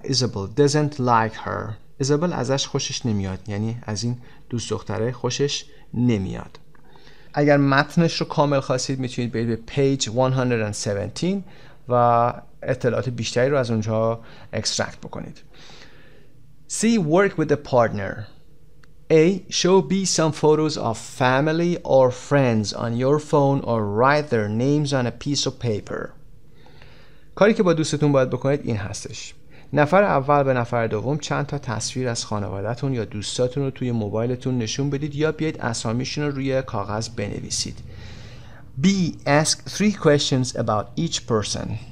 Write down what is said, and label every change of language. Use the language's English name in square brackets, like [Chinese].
[English] Isabel doesn't like her، [Persian] Isabel ازش خوشش نمیاد، یعنی از این دوست دختره خوشش نمیاد. اگر متنش رو کامل خواستید میتونید برید به page 117 و اطلاعات بیشتری رو از اونجا اکسترکت بکنید. [English] C. Work with a partner. A. Show B some photos of family or friends on your phone or write their names on a piece of paper. [Persian] کاری که با دوستتون باید بکنید این هستش. نفر اول به نفر دوم چند تا تصویر از خانوادتون یا دوستاتون رو توی موبایلتون نشون بدید یا بیاید اسامیشون رو روی کاغذ بنویسید. [English] B. Ask three questions about each person.